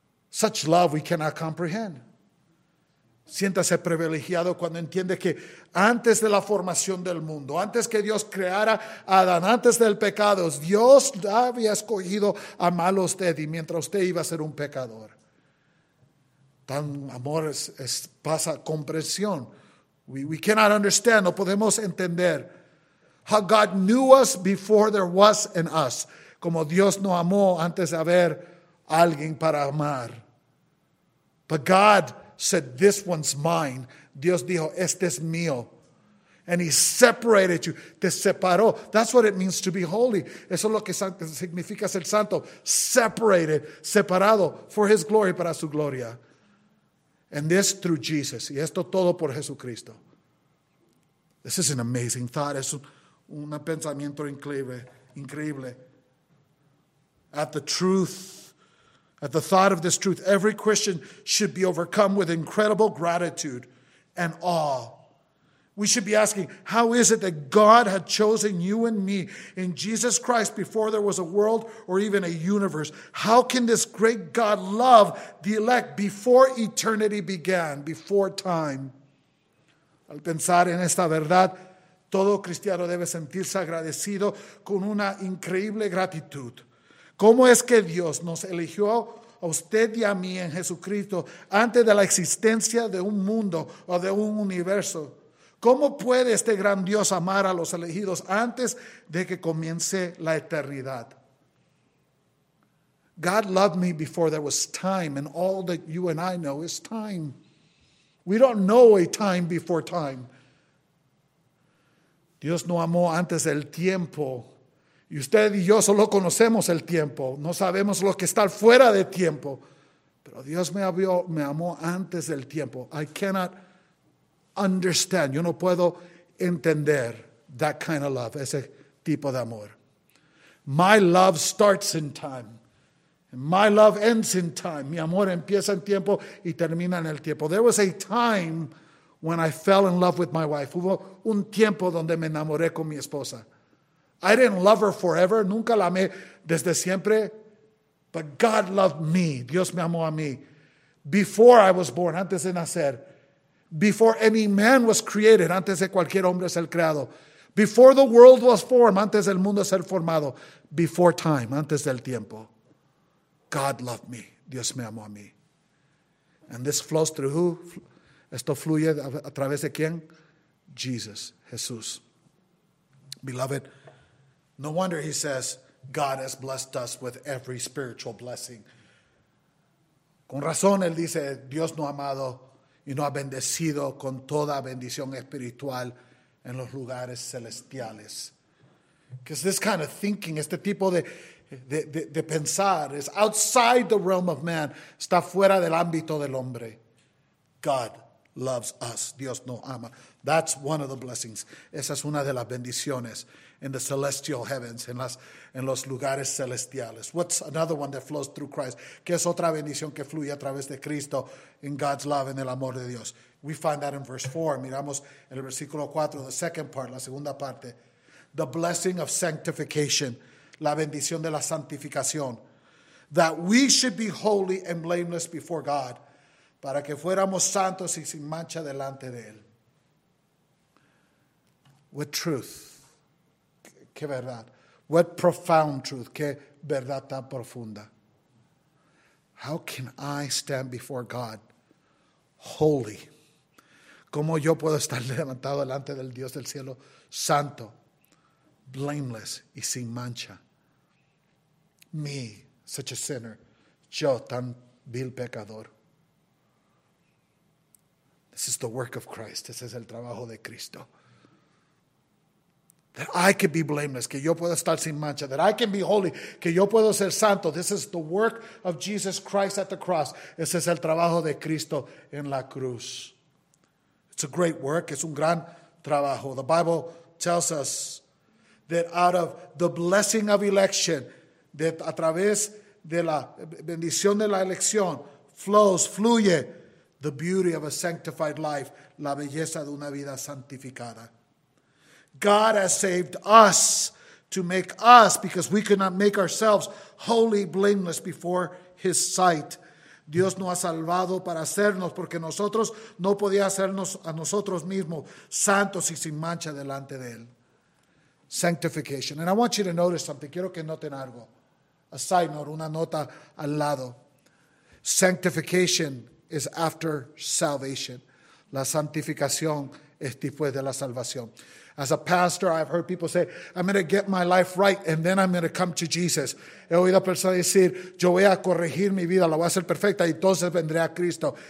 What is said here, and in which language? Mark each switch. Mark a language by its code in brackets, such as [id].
[en] Such love we cannot comprehend. [es] Siéntase privilegiado cuando entiende que antes de la formación del mundo, antes que Dios creara a Adán, antes del pecado, Dios había escogido amar a usted y mientras usted iba a ser un pecador. Tan amor es pasa comprensión. [en] We cannot understand, [es] no podemos entender [en] how God knew us before there was an us. [es] Como Dios nos amó antes de haber alguien para amar. [en] But God said, this one's mine. [es] Dios dijo, este es mío. [en] And he separated you. [es] Te separó. [en] That's what it means to be holy. [es] Eso es lo que significa ser santo. [en] Separated, [es] separado [en] for his glory, [es] para su gloria. [en] And this through Jesus. [es] Y esto todo por Jesucristo. [en] This is an amazing thought. [es] Es un pensamiento increíble. [en] At the thought of this truth, every Christian should be overcome with incredible gratitude and awe. We should be asking, how is it that God had chosen you and me in Jesus Christ before there was a world or even a universe? How can this great God love the elect before eternity began, before time? [es] Al pensar en esta verdad, todo cristiano debe sentirse agradecido con una increíble gratitud. ¿Cómo es que Dios nos eligió a usted y a mí en Jesucristo antes de la existencia de un mundo o de un universo? ¿Cómo puede este gran Dios amar a los elegidos antes de que comience la eternidad? [en] God loved me before there was time, and all that you and I know is time. We don't know a time before time. [es] Dios no amó antes del tiempo. Y usted y yo solo conocemos el tiempo. No sabemos lo que está fuera de tiempo. Pero Dios me amó antes del tiempo. [en] I cannot understand. [es] Yo no puedo entender [en] that kind of love, [es] ese tipo de amor. [en] My love starts in time. [es] My love ends in time. Mi amor empieza en tiempo y termina en el tiempo. [en] There was a time when I fell in love with my wife. [es] Hubo un tiempo donde me enamoré con mi esposa. [en] I didn't love her forever. [es] Nunca la amé desde siempre. [en] But God loved me. [es] Dios me amó a mí. [en] Before I was born, [es] antes de nacer. [en] Before any man was created, [es] antes de cualquier hombre ser creado. [en] Before the world was formed, [es] antes del mundo ser formado. [en] Before time, [es] antes del tiempo. [en] God loved me. [es] Dios me amó a mí. [en] And this flows through who? [es] Esto fluye a través de quién? [en] Jesus, Jesús. Beloved, no wonder he says, God has blessed us with every spiritual blessing. [es] Con razón, él dice, Dios nos ha amado y nos ha bendecido con toda bendición espiritual en los lugares celestiales. [en] Because this kind of thinking, [es] este tipo de pensar [en] is outside the realm of man. [es] Está fuera del ámbito del hombre. [en] God loves us. [es] Dios nos ama. [en] That's one of the blessings. [es] Esa es una de las bendiciones [en] in the celestial heavens, [es] en los lugares celestiales. [en] What's another one that flows through Christ? [es] ¿Qué es otra bendición que fluye a través de Cristo [en] in God's love, [es] en el amor de Dios? [en] We find that in verse 4. [es] Miramos en el versículo 4, [en] the second part, [es] la segunda parte. [en] The blessing of sanctification. [es] La bendición de la santificación. [en] That we should be holy and blameless before God. [es] Para que fuéramos santos y sin mancha delante de Él. [en] What truth. [es] Qué verdad. [en] What profound truth. [es] Qué verdad tan profunda. [en] How can I stand before God holy? [es] ¿Cómo yo puedo estar levantado delante del Dios del cielo santo, [en] blameless [es] y sin mancha? [en] Me, such a sinner. [es] Yo, tan vil pecador. [en] This is the work of Christ. [es] Este es el trabajo de Cristo. [en] That I could be blameless. [es] Que yo pueda estar sin mancha. [en] That I can be holy. [es] Que yo puedo ser santo. [en] This is the work of Jesus Christ at the cross. [es] Este es el trabajo de Cristo en la cruz. It's a great work. Es un gran trabajo. The Bible tells us that out of the blessing of election, de a través de la bendición de la elección, fluye the beauty of a sanctified life, la belleza de una vida santificada. [en] God has saved us to make us, because we cannot make ourselves, holy, blameless before His sight. [es] Dios nos ha salvado para hacernos, porque nosotros no podíamos hacernos a nosotros mismos santos y sin mancha delante de Él. [en] Sanctification. And I want you to notice something. [es] Quiero que noten algo. [en] A side note, [es] una nota al lado. [en] Sanctification is after salvation. [es] La santificación es después de la salvación. [en] As a pastor, I've heard people say, I'm going to get my life right and then I'm going to come to Jesus. [es] He oído a personas decir, yo voy a corregir mi vida, la voy a hacer perfecta y entonces vendré a Cristo.